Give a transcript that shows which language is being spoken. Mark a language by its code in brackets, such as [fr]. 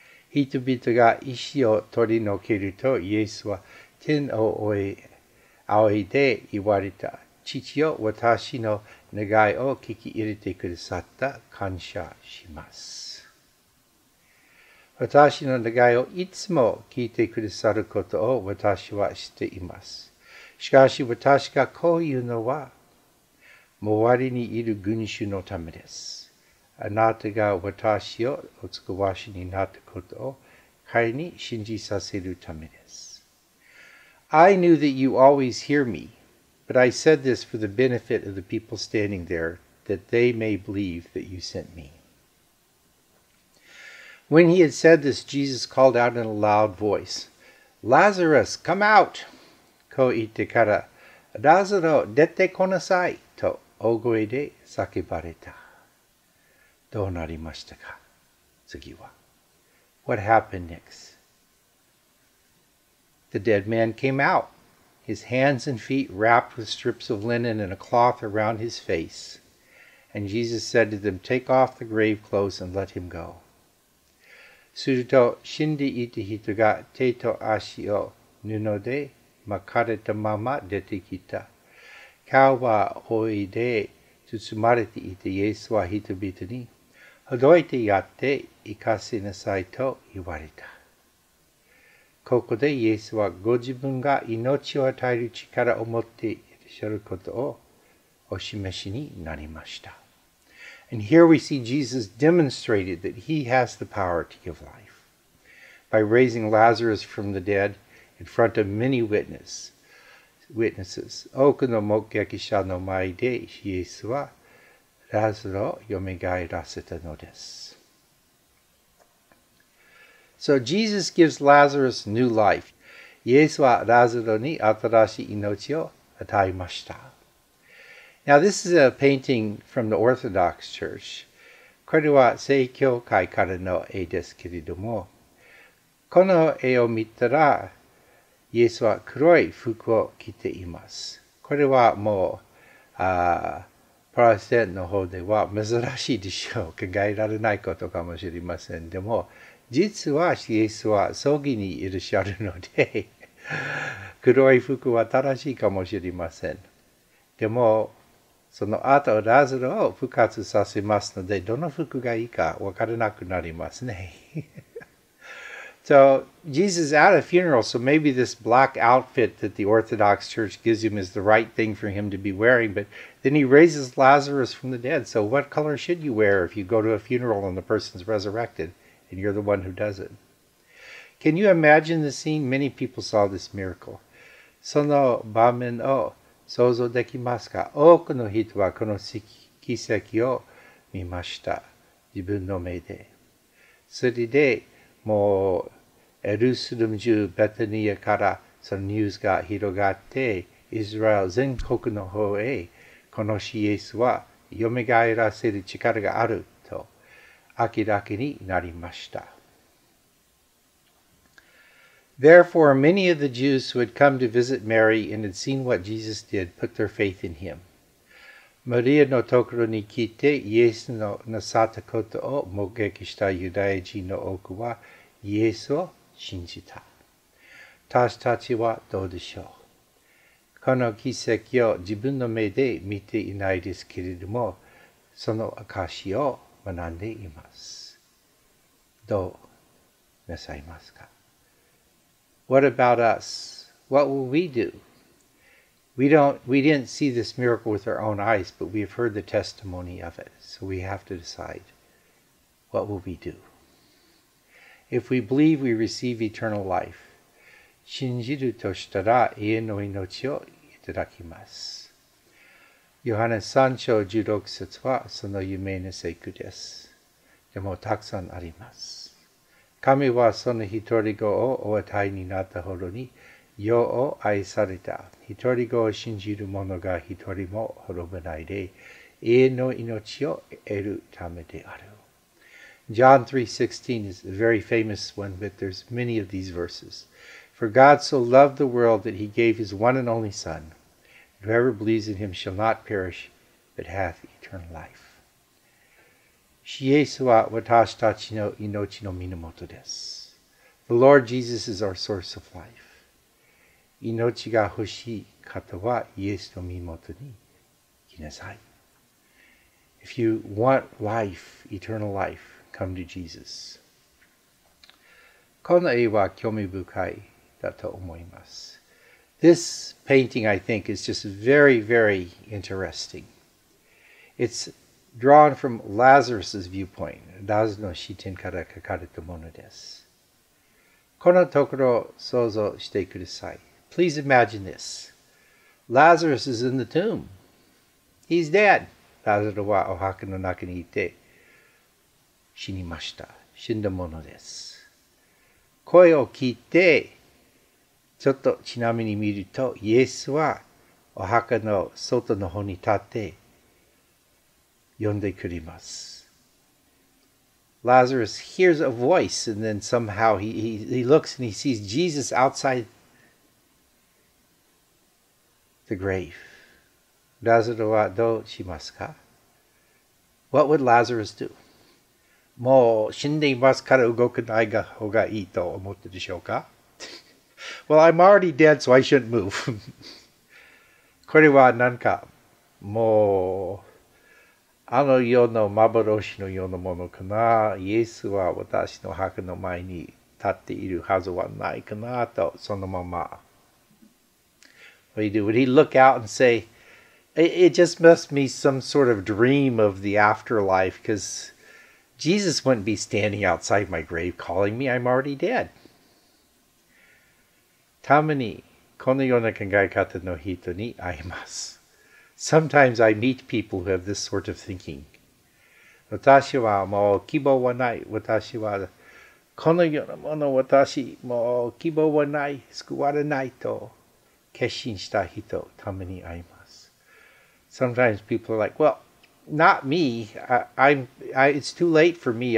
[ja] 人々が石を取り除けると、イエスは天を仰いで言われた。父よ、私の願いを聞き入れてくださった。感謝します。私の願いをいつも聞いてくださることを私は知っています。しかし私がこう言うのは、周りにいる群衆のためです。あなたが私をお使わしになったことを彼に信じさせるためです。 [en] I knew that you always hear me, but I said this for the benefit of the people standing there, that they may believe that you sent me. When he had said this, Jesus called out in a loud voice, Lazarus, come out! [ja] こう言ってから、ラズロ、出てこなさいと大声で叫ばれた。どうなりましたか次は。 [en] What happened next? The dead man came out, his hands and feet wrapped with strips of linen and a cloth around his face. And Jesus said to them, Take off the grave clothes and let him go. [ja] すると死んでいた人が手と足を布で巻かれたまま出てきた。顔は覆いで包まれていてイエスは人々に、ほどいてやって行かせなさいと言われた。ここでイエスはご自分が命を与える力を持っていらっしゃることをお示しになりました。 [en] And here we see Jesus demonstrated that he has the power to give life by raising Lazarus from the dead in front of many witnesses. [ja] 多くの目撃者の前でイエスはラズロを蘇らせたのです。 [en] So Jesus gives Lazarus new life. [ja] イエスはラズロに新しい命を与えました。 [en] Now, this is a painting from the Orthodox Church. [ja] これは正教会からの絵ですけれども、この絵を見たら、イエスは黒い服を着ています。これはもう、プロテスタントの方では珍しいでしょう。考えられないことかもしれません。でも、実はイエスは葬儀にいらっしゃるので、黒い服は正しいかもしれません。でも、その後、ラズロを復活させますので、どの服がいいか分からなくなりますね。 [en] So, Jesus at a funeral, so maybe this black outfit that the Orthodox Church gives him is the right thing for him to be wearing, but then he raises Lazarus from the dead. So what color should you wear if you go to a funeral and the person's resurrected and you're the one who does it? Can you imagine the scene? Many people saw this miracle. [ja] その場面を想像できますか? 多くの人はこの奇跡を見ました。自分の目で。それで、もうエルサレム中ベタニアからそのニュースが広がってイスラエル全国の方へこのイエスは蘇らせる力があると明らかになりました。 [en] Therefore, many of the Jews who had come to visit Mary and had seen what Jesus did put their faith in him. [ja] マリアのところに来てイエスのなさったことを目撃したユダヤ人の多くはイエスを信じた。私たちはどうでしょう。この奇跡を自分の目で見ていないですけれども、その証を学んでいます。どうなさいますか? [en] What about us? What will we do? We didn't see this miracle with our own eyes, but we have heard the testimony of it. So we have to decide, what will we do? If we believe, we receive eternal life. [ja] 信じるとしたら永遠の命をいただきます。ヨハネ3章16節はその有名な聖句です。でもたくさんあります。神はその一人子をお与えになったほどに世を愛された。一人子を信じる者が一人も滅ばないで永遠の命を得るためである。 [en] John 3:16 is a very famous one, but there's many of these verses. For God so loved the world that he gave his one and only Son. Whoever believes in him shall not perish, but hath eternal life. [ja] イエスは私たちの命の源です。 [en] The Lord Jesus is our source of life. [ja] 命が欲しい方はイエスの身元に来なさい。 [en] If you want life, eternal life,Come to Jesus. [ja] この絵は興味深いだと思います。 [en] This painting, I think, is just very, very interesting. It's drawn from Lazarus's viewpoint. [ja] ラズの視点から描かれたものです。このところ想像してください。 [en] Please imagine this. Lazarus is in the tomb. He's dead. [ja] ラズロはお墓の中にいて、死にました。死んだものです。声を聞いて、ちょっとちなみに見ると、イエスはお墓の外の方に立って、呼んでくれます。 [en] Lazarus hears a voice, and then somehow he looks and he sees Jesus outside the grave. [ja] ラズロはどうしますか? [en] What would Lazarus do? [ja] もう死んでいますから動かない方がいいと思ってでしょうか? [en] Well, I'm already dead, so I shouldn't move. [ja] これはなんかもうあの世の幻のようなものかな。イエスは私の墓の前に立っているはずはないかなと、そのまま。 [en] What do you do? Would he look out and say, it just must be some sort of dream of the afterlife, because... Jesus wouldn't be standing outside my grave calling me. I'm already dead. [ja] たまにこのような考え方の人に会います。 [en] Sometimes I meet people who have this sort of thinking. [ja] 私はもう希望はない。私はこのようなもの、私もう希望はない。救われないと決心した人、たまに会います。 [en] Sometimes people are like, well,Not me. It's too late for me.